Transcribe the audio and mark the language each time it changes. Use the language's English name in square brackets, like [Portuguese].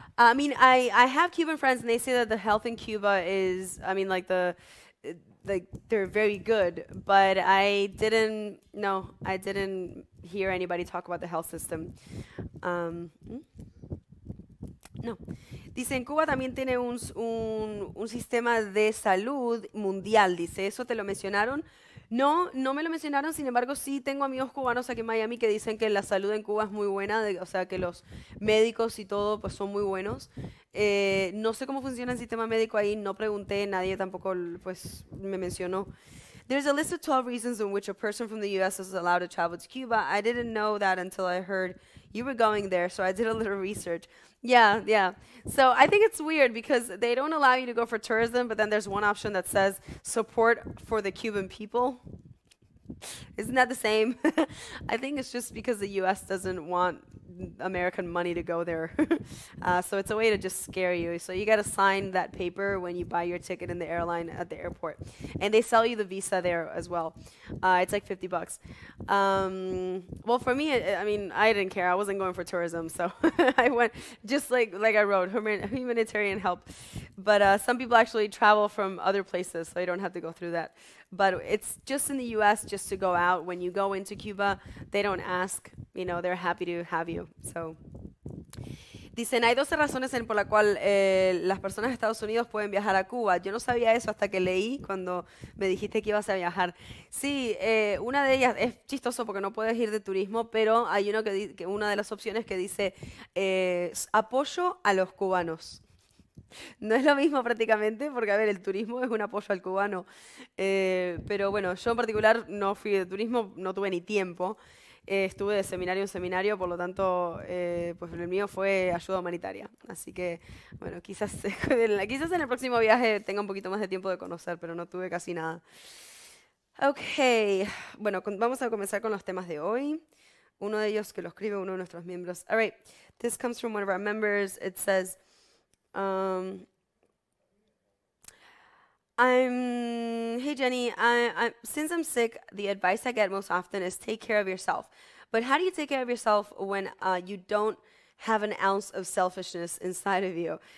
[English] I mean, I have Cuban friends, and they say that the health in Cuba is, I mean, they're very good, but I didn't hear anybody talk about the health system. No. [Spanish] Dicen, Cuba también tiene un sistema de salud mundial, dice. ¿Eso te lo mencionaron? No, no me lo mencionaron. Sin embargo, sí tengo amigos cubanos aquí en Miami que dicen que la salud en Cuba es muy buena, o sea, que los médicos y todo pues son muy buenos. No sé cómo funciona el sistema médico ahí, no pregunté, nadie tampoco pues me mencionó. [English] There's a list of 12 reasons in which a person from the US is allowed to travel to Cuba. I didn't know that until I heard you were going there, so I did a little research. So I think it's weird because they don't allow you to go for tourism, but then there's one option that says support for the Cuban people. Isn't that the same? I think it's just because the US doesn't want American money to go there. So it's a way to just scare you. So you got to sign that paper when you buy your ticket in the airline at the airport. And they sell you the visa there as well. It's like $50. Well, for me, I mean, I didn't care. I wasn't going for tourism. So I went just like I wrote, humanitarian help. But some people actually travel from other places, so you don't have to go through that. But it's just in the US just to go out. When you go into Cuba, they don't ask. You know, they're happy to have you. So. [Spanish] Dicen, hay 12 razones por la cual las personas de Estados Unidos pueden viajar a Cuba. Yo no sabía eso hasta que leí cuando me dijiste que ibas a viajar. Sí, una de ellas es chistoso porque no puedes ir de turismo, pero hay uno que una de las opciones que dice apoyo a los cubanos. No es lo mismo prácticamente, porque a ver, el turismo es un apoyo al cubano. Pero bueno, yo en particular no fui de turismo, no tuve ni tiempo. Estuve de seminario en seminario, por lo tanto, pues el mío fue ayuda humanitaria. Así que, bueno, quizás en el próximo viaje tenga un poquito más de tiempo de conocer, pero no tuve casi nada. Ok, bueno, vamos a comenzar con los temas de hoy. Uno de ellos que lo escribe uno de nuestros miembros. [English] All right, this comes from one of our members. It says, hey Jenny, since I'm sick, the advice I get most often is take care of yourself. But how do you take care of yourself when you don't have an ounce of selfishness inside of you?